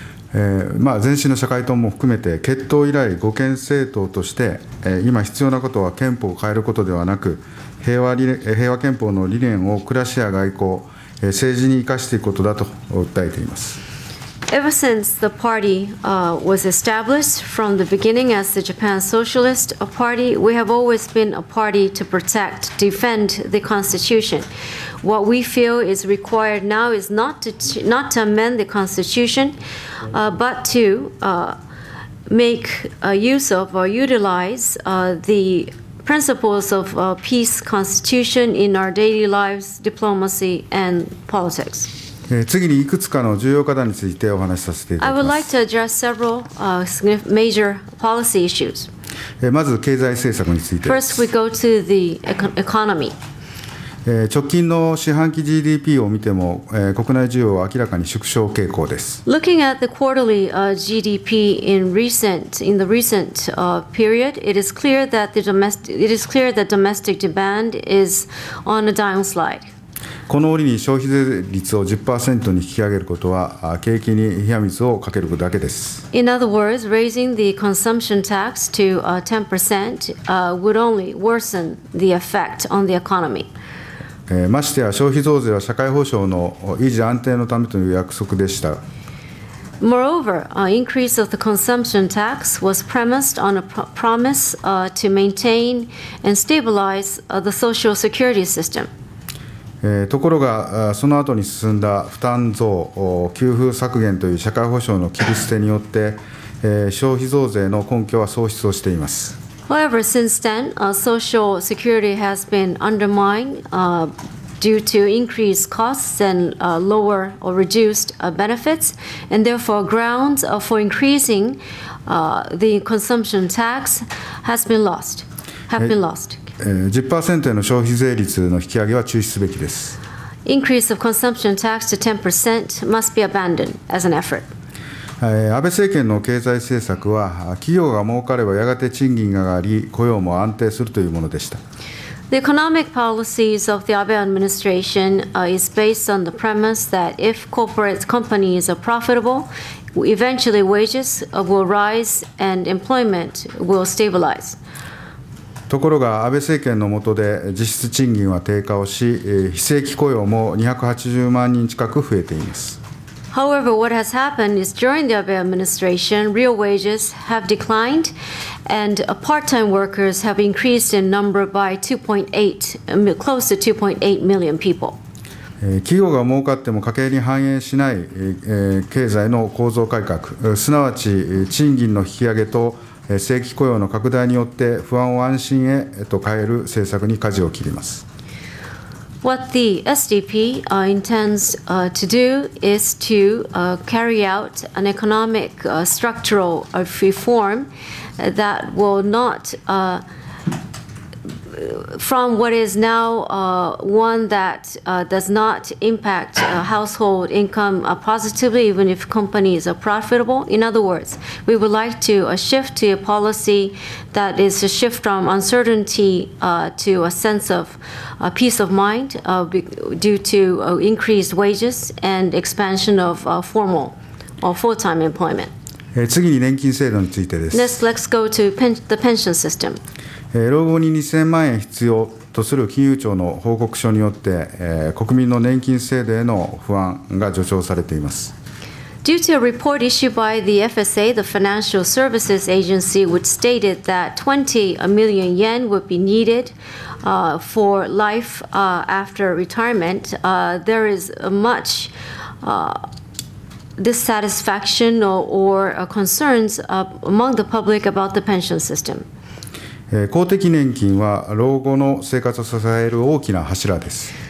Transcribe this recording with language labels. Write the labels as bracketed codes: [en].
[ja] 前身の社会党も含めて結党以来護憲政党として今必要なことは憲法を変えることではなく平和憲法の理念を暮らしや外交政治に生かしていくことだと訴えています。 [en] Ever since the party was established from the beginning as the Japan Socialist Party, we have always been a party to protect, defend the Constitution. What we feel is required now is not to amend the Constitution, but to make use of or utilize the principles of peace, Constitution in our daily lives, diplomacy, and politics. [ja] 次にいくつかの重要課題についてお話しさせていただきます。 [en] I would like to address several major policy issues. [ja] まず経済政策についてです。 [en] First, we go to the economy. [ja] 直近の四半期 GDP を見ても、国内需要は明らかに縮小傾向です。 [en] Looking at the quarterly GDP in the recent period, it is clear that domestic demand is on a downslide. [ja] この折に消費税率を 10% に引き上げることは景気に冷や水をかけるだけです。 [en] In other words, raising the consumption tax to 10% would only worsen the effect on the economy. [ja] ましてや消費増税は社会保障の維持安定のためという約束でした。 [en] Moreover, increase of the consumption tax was premised on a promise to maintain and stabilize the social security system. [ja] ところがその後に進んだ負担増、給付削減という社会保障の切り捨てによって消費増税の根拠は喪失をしています。 [en] However, since then, social security has been undermined due to increased costs and lower or reduced benefits, and therefore grounds for increasing the consumption tax have been lost. [ja] 10% への消費税率の引き上げは中止すべきです。 [en] Increase of consumption tax to 10% must be abandoned as an effort. [ja] 安倍政権の経済政策は、企業が儲かればやがて賃金が上がり、雇用も安定するというものでした。 [en] The economic policies of the Abe administration is based on the premise that if corporate companies are profitable, eventually wages will rise and employment will stabilize. [ja] ところが安倍政権の下で実質賃金は低下をし、非正規雇用も280万人近く増えています。 [en] However, what has happened is during the Abe administration, real wages have declined and part-time workers have increased in number by 2.8, close to 2.8 million people. [ja] 企業が儲かっても家計に反映しない経済の構造改革、すなわち賃金の引き上げと正規雇用の拡大によって不安を安心へと変える政策に舵を切ります。 [en] What the SDP intends to do is to carry out an economic structural reform that will not from what is now one that does not impact household income positively, even if companies are profitable. In other words, we would like to shift to a policy that is a shift from uncertainty to a sense of peace of mind due to increased wages and expansion of formal or full-time employment. [ja] 次に年金制度についてです。 [en] Next, let's go to the pension system. [ja] 老後に2000万円必要とする金融庁の報告書によって、国民の年金制度への不安が助長されています。 [en] Due to a report issued by the FSA, the Financial Services Agency, which stated that 20 million yen would be needed for life after retirement, there is much dissatisfaction or concerns among the public about the pension system. [ja] 公的年金は老後の生活を支える大きな柱です。